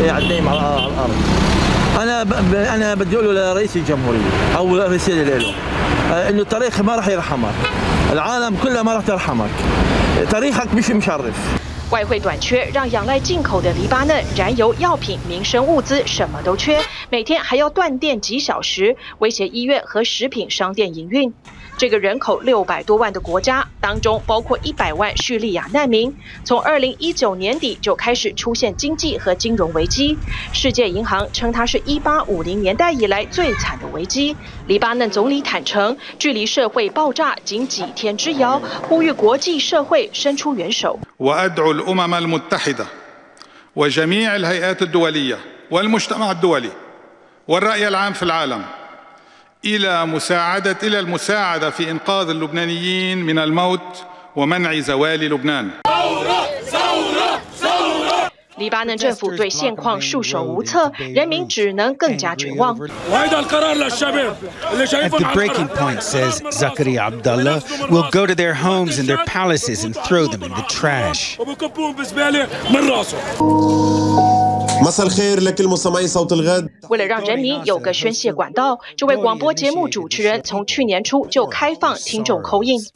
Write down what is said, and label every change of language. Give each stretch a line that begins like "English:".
Arabic: أنا بدي أقول له لرئيس الجمهورية أو رئيس الليلة إنه التاريخ ما رح يرحمك العالم كله ما رح يرحمك تاريخك مش مشرف
Chinese: 外汇短缺让仰赖进口的黎巴嫩燃油、药品、民生物资什么都缺，每天还要断电几小时，威胁医院和食品商店营运。这个人口600多万的国家当中，包括100万叙利亚难民，从2019年底就开始出现经济和金融危机。世界银行称它是1850年代以来最惨的危机。黎巴嫩总理坦承，距离社会爆炸仅几天之遥，呼吁国际社会伸出援手。
Arabic: وأدعو الأمم المتحدة وجميع الهيئات الدولية والمجتمع الدولي والرأي العام في العالم إلى مساعدة إلى المساعدة في إنقاذ اللبنانيين من الموت ومنع زوال لبنان.
Chinese: 黎巴嫩政府对现况束手无策，人民只能更加绝望。
English: At the breaking point, says Zakaria Abdullah, we'll go to their homes and their palaces and throw them in the trash.
Arabic: مساء الخير لكل مستمعي صوت الغد.
Chinese: 为了让人民有个宣泄管道，这位广播节目主持人从去年初就开放听众口音。